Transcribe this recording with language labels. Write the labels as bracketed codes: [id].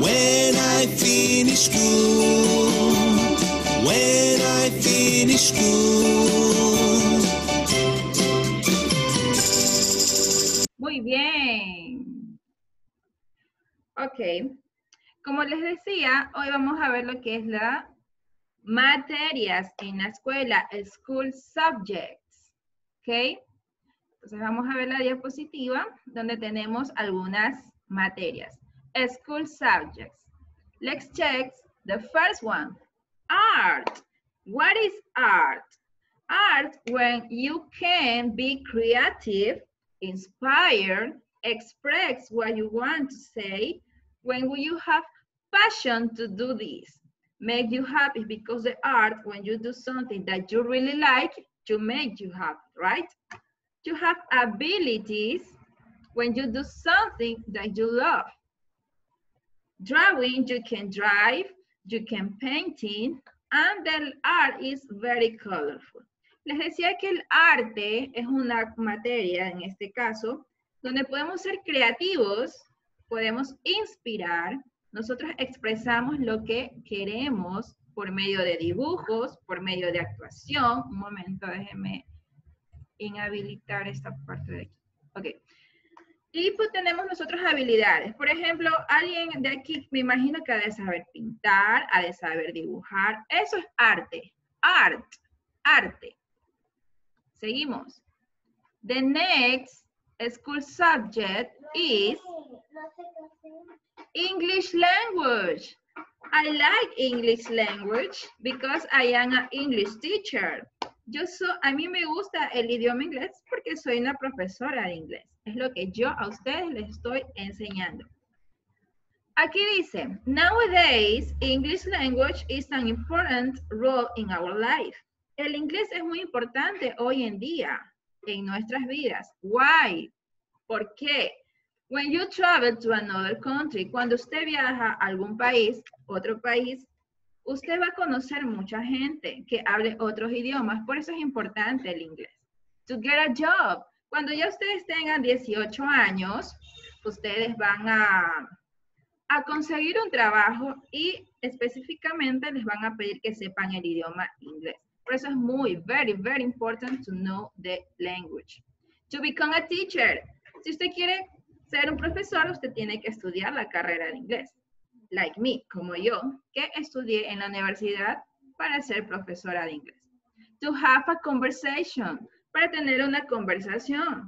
[en] When I finish school, when I finish school. [es] Muy bien. Okay. Como les decía, hoy vamos a ver lo que es la materias en la escuela, [en] school subject. [es] ¿Ok? Entonces vamos a ver la diapositiva donde tenemos algunas materias. [en] School subjects. Let's check the first one. Art. What is art? Art, when you can be creative, inspired, express what you want to say, when you have passion to do this, make you happy, because the art, when you do something that you really like, to make you happy, right? To have abilities when you do something that you love. Drawing, you can drive, you can painting, and the art is very colorful. [es] Les decía que el arte es una materia, en este caso, donde podemos ser creativos, podemos inspirar, nosotros expresamos lo que queremos, por medio de dibujos, por medio de actuación. Un momento, déjeme inhabilitar esta parte de aquí. Ok. Y pues tenemos nosotros habilidades. Por ejemplo, alguien de aquí me imagino que ha de saber pintar, ha de saber dibujar. Eso es arte. Art. Arte. Seguimos. [en] The next school subject is English language. I like English language because I am an English teacher. [es] A mí me gusta el idioma inglés porque soy una profesora de inglés. Es lo que yo a ustedes les estoy enseñando. Aquí dice, [en] nowadays, English language is an important role in our life. [es] El inglés es muy importante hoy en día en nuestras vidas. [en] Why? [es] ¿Por qué? [en] When you travel to another country, [es] cuando usted viaja a algún país, otro país, usted va a conocer mucha gente que hable otros idiomas, por eso es importante el inglés. [en] To get a job, [es] cuando ya ustedes tengan 18 años, ustedes van a conseguir un trabajo y específicamente les van a pedir que sepan el idioma inglés. Por eso es muy, [en] very, very important to know the language. [es] To become a teacher, si usted quiere ser un profesor, usted tiene que estudiar la carrera de inglés. [en] Like me, [es] como yo, que estudié en la universidad para ser profesora de inglés. [en] To have a conversation, [es] para tener una conversación.